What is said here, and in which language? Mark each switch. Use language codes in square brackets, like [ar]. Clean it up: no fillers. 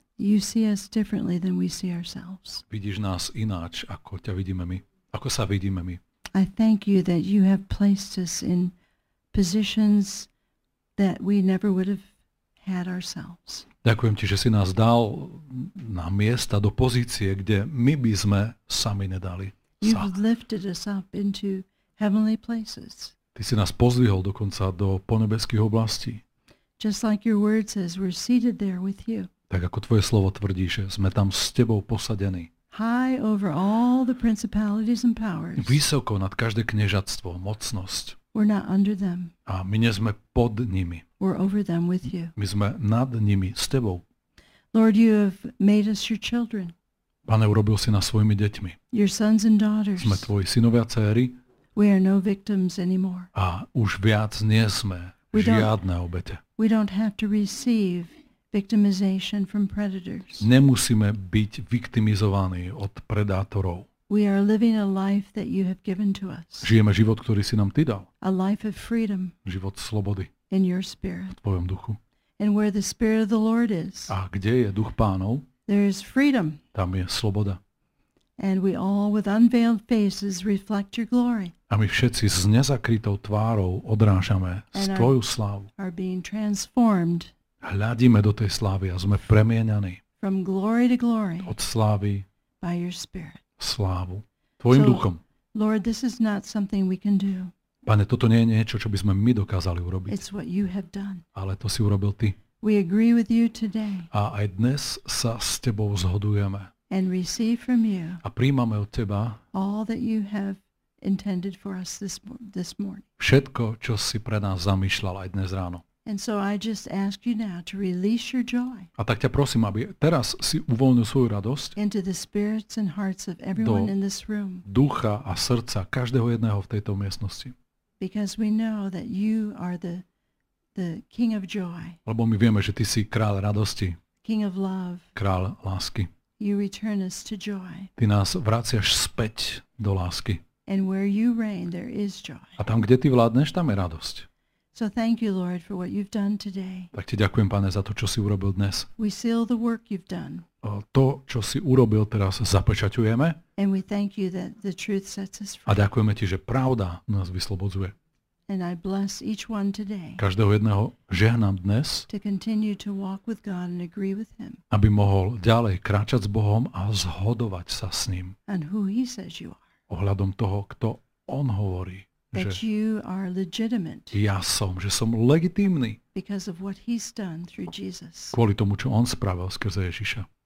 [en] You see us differently than we see ourselves. [sk] Vidíš nás ináč, ako ťa vidíme my, ako sa vidíme my. [en] I thank you that you have placed us in positions that we never would have had ourselves. [sk] Ďakujem ti, že si nás dal na miesta, do pozície, kde my by sme sami nedali. [en] You've lifted us up into heavenly places. [sk] Ty si nás pozdvihol dokonca do ponebeských oblastí. [en] Just like your word says, we're seated there with you. [sk] Tak ako tvoje slovo tvrdí, že sme tam s tebou posadení. [en] High over all the principalities and powers. [sk] Vysoko nad každé kniežatstvo, mocnosť. [en] We're not under them. [sk] A my nie sme pod nimi. [en] We're over them with you. [sk] My sme nad nimi, s tebou. [en] Lord, you have made us your children. [sk] Pane, urobil si nás svojimi deťmi. [en] Your sons and daughters. [sk] Sme tvoji synovia a céry. [en] We are no victims anymore. [sk] A už viac nie sme žiadne obete. [en] We don't have to receive victimization from predators. [sk] Nemusíme byť viktimizovaní od predátorov. [en] We are living a life that you have given to us. [sk] Žijeme život, ktorý si nám ty dal. [en] A life of freedom. [sk] Život slobody. [en] In your spirit. [sk] V tvojom duchu. [en] And where the spirit of the Lord is. [sk] A kde je duch Pánov? [en] There is freedom. [sk] Tam je sloboda. [en] And we all with unveiled faces reflect your glory. [sk] A my všetci s nezakrytou tvárou odrážame tvoju slávu. [en] Are being transformed. [sk] Hľadíme do tej slávy a sme premieňaní. [en] From glory to glory. [sk] Od slávy. [en] By your spirit. [sk] Slávu. Tvojim duchom. [en] Lord, this is not something we can do. [sk] Pane, toto nie je niečo, čo by sme my dokázali urobiť. [en] It's what you have done. [sk] Ale to si urobil ty. [en] We agree with you today. [sk] A aj dnes sa s tebou zhodujeme. [en] And receive from you. [sk] A prijímame od teba. [en] All that you have intended for us this morning. [sk] Všetko, čo si pre nás zamýšľal aj dnes ráno. [en] And so I just ask you now to release your joy. [sk] A tak ťa prosím, aby teraz si uvoľnil svoju radosť. [en] Into the spirits and hearts of everyone in this room. [sk] Do ducha a srdca každého jedného v tejto miestnosti. [en] Because we know that you are the king of joy. [sk] Lebo my vieme, že ty si kráľ radosti. [en] King of love. [sk] Kráľ lásky. [en] You return us to joy. [sk] Ty nás vraciaš späť do lásky. [en] And where you reign, there is joy. [sk] A tam, kde ty vládneš, tam je radosť. [en] So thank you, Lord, for what you've done today. [sk] Tak ti ďakujem, Pane, za to, čo si urobil dnes. [en] We seal the work you've done. [sk] To, čo si urobil, teraz zapečaťujeme. [en] And we thank you that the truth sets us free. [sk] A ďakujeme ti, že pravda nás vyslobodzuje. [en] And I bless each one today. [sk] Každého jedného žehnám dnes. [en] To continue to walk with God and agree with him. [sk] Aby mohol ďalej kráčať s Bohom a zhodovať sa s ním. [en] And who he says you are. [sk] Ohľadom toho, kto on hovorí, [en] that [sk] že [en] you are legitimate. [sk] Ja som, že som legitímny. [en] Because of what he's done through Jesus. [sk] Kvôli tomu, čo on spravil skrze Ježiša.